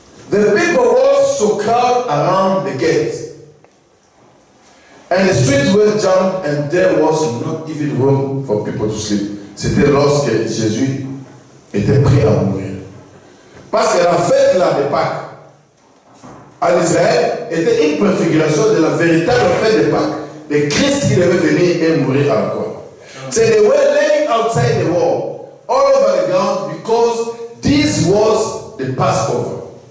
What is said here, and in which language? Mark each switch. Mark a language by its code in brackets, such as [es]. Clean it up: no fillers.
[en] The people were so crowded around the gate. And the streets were jammed, and there was not even room for people to sleep. [fr] C'était lorsque Jésus était prêt à mourir. Parce que la fête là de Pâques en Israël était une préfiguration de la véritable fête de Pâques, de Christ qui devait venir et mourir encore. [en] So they were laying outside the wall, all over the ground, because this was the Passover.